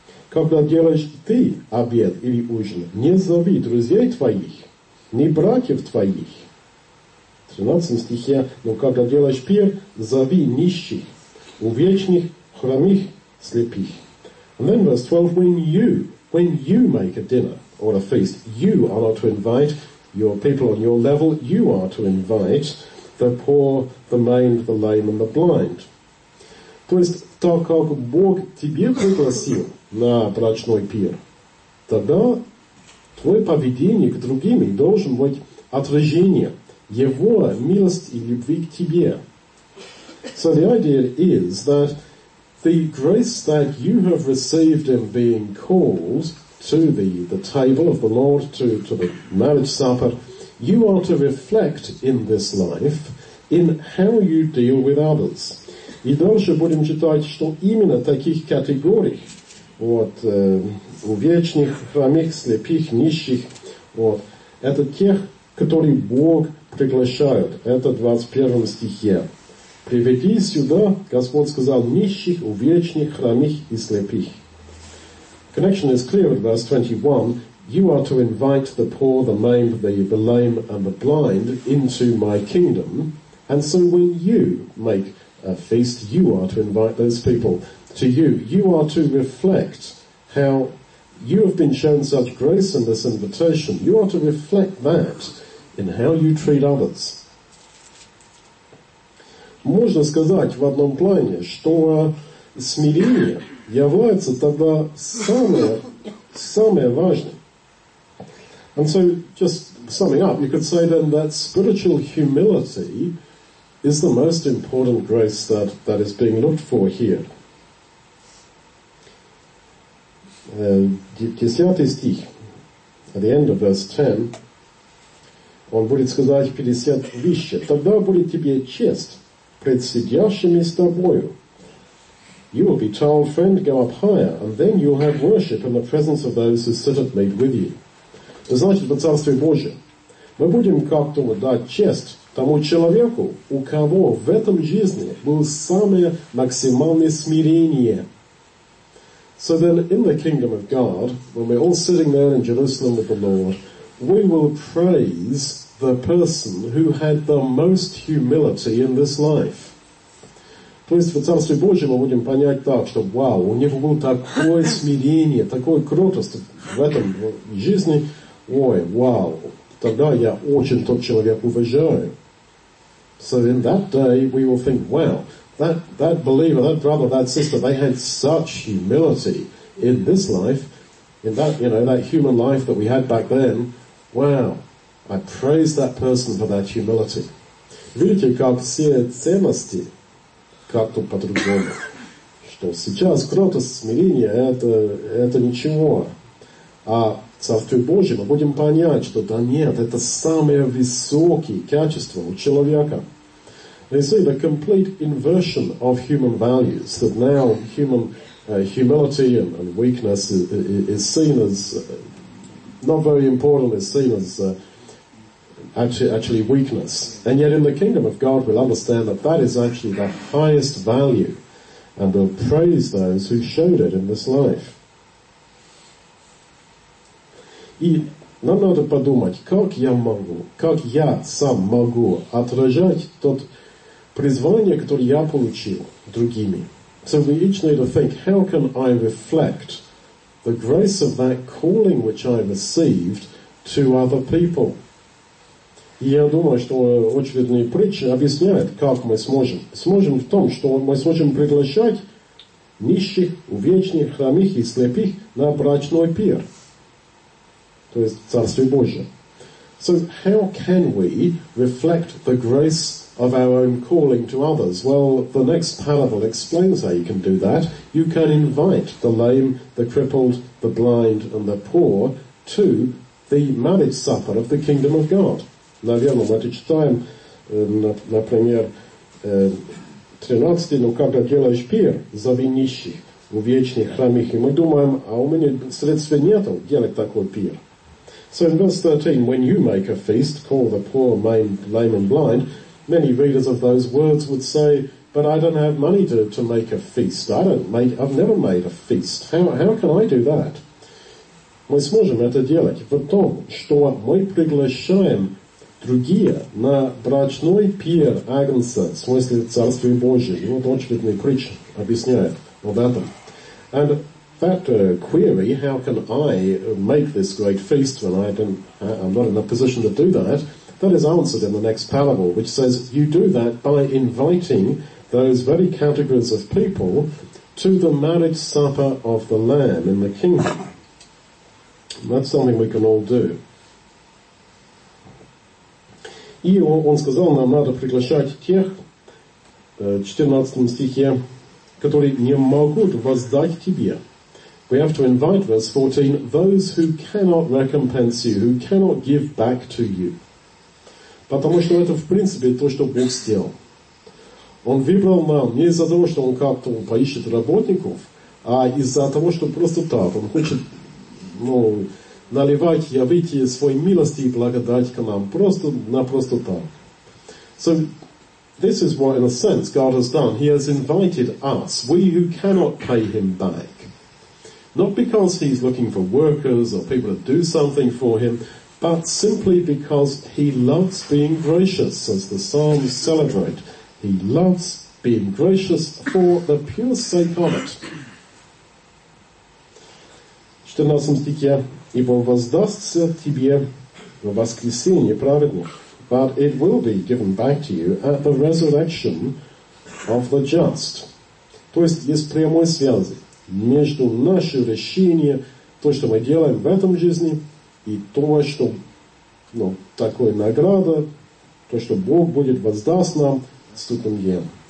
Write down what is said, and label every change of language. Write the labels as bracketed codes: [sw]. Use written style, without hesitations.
[ru] Когда делаешь ты обед или ужин, не зови друзей твоих, ни братьев твоих. 13 стихе, но когда делаешь пир, зови нищих, увечных, хромих, слепих. [en] And then verse 12, when you make a dinner or a feast, you are not to invite your people on your level, you are to invite the poor, the maimed, the lame and the blind. [ru] То есть, так как Бог тебе пригласил на брачной пир, тогда твое поведение к другим должен быть отражение Его милости и любви к тебе. [en] So the idea is that the grace that you have received in being called to the table of the Lord, to the marriage supper, you are to reflect in this life in how you deal with others. [ru] И дальше будем читать, что именно таких категорий, вот, увечных, хромих, слепых, нищих, вот, это тех, которые Бог приглашает. Это в 21 стихе. «Приведи сюда, Господь сказал, нищих, увечных, хромих и слепых». [en] Connection is clear with verse 21. «You are to invite the poor, the maimed, the lame and the blind into my kingdom. And so when you make a feast, you are to invite those people to you. You are to reflect how you have been shown such grace in this invitation. You are to reflect that in how you treat others. [ru] Можно сказать в одном плане, что смирение является тогда самое важное. [en] And so, just summing up, you could say then that spiritual humility is the most important grace that is being looked for here. [ru] 10 стих, [en] at the end of verse [ru] 10, он будет сказать 50 вещи. Тогда будет тебе честь пред сидящими с тобою. [en] You will be told, friend, go up higher, and then you'll have worship in the presence of those who sit at meat with you. [ru] Это значит, по Царству Божию, мы будем как-то дать честь тому человеку, у кого в этом жизни было самое максимальное смирение. [en] So then, in the kingdom of God, when we're all sitting there in Jerusalem with the Lord, we will praise the person who had the most humility in this life. [ru] То есть, в Царстве Божьем мы будем понять так, что, вау, у него было такое смирение, такое кротость в этом жизни. Ой, вау, тогда я очень тот человек уважаю. [en] So in that day, we will think, wow, that believer, that brother, that sister, they had such humility in this life, in that, you know, that human life that we had back then. Wow, I praise that person for that humility. [ru] Видите, как все ценности как-то по-другому. Что сейчас кротость, смирение, это ничего. А Царствие Божие, мы будем понять, что да нет, это самые высокие качества у человека. [en] You see, the complete inversion of human values, that now human humility and weakness is seen as not very important, is seen as actually weakness. And yet in the kingdom of God, we'll understand that that is actually the highest value, and we'll praise those who showed it in this life. [ru] И нам надо подумать, как я сам могу отражать тот призвание, которое я получил другими. [en] So we each need to think, how can I reflect the grace of that calling which I received to other people? [ru] И я думаю, что очевидные притчи объясняют, как мы сможем. Сможем в том, что мы сможем приглашать нищих, увечных, хромих и слепых на брачной пир. То есть Царствие Божие. [en] So how can we reflect the grace of our own calling to others? Well, the next parable explains how you can do that. You can invite the lame, the crippled, the blind, and the poor to the marriage supper of the kingdom of God. [ru] Наверное, мы это читаем, например, 13-й, но когда делаешь пир, зови нищих, увечных, хромих, и мы думаем, а у меня средства нету делать такой пир. [en] So in verse 13, when you make a feast, call the poor, lame and blind, many readers of those words would say, but I don't have money to make a feast. I've never made a feast. How can I do that? [ru] Мы сможем это делать в том, что мы приглашаем другие на брачной пир Агнца, в смысле Царствия Божия. И вот очевидный притч объясняет об этом. [en] And that query, how can I make this great feast when I'm not in a position to do that, that is answered in the next parable, which says, you do that by inviting those very categories of people to the marriage supper of the Lamb in the kingdom. That's something we can all do. [ru] И он сказал, нам надо приглашать тех, в 14 стихе, которые не могут воздать тебе. [en] We have to invite, verse 14, those who cannot recompense you, who cannot give back to you. [ru] Потому что это, в принципе, то, что Бог сделал. Он выбрал нам не из-за того, что он как-то поищет работников, а из-за того, что просто так, он хочет, ну, наливать, явить свои милости и благодать к нам, просто, напросто так. [en] So, this is what, in a sense, God has done. He has invited us, we who cannot pay him back. Not because he's looking for workers or people to do something for him, but simply because he loves being gracious, as the Psalms celebrate. He loves being gracious for the pure sake of it. [ru] 14 стихе. Ибо воздастся тебе в воскресенье праведных. [en] But it will be given back to you at the resurrection of the just. [ru] То есть есть прямая связь между нашим решением, то, что мы делаем в этом жизни, и то, что, ну, такое награда, то, что Бог будет воздаст нам с этим делом.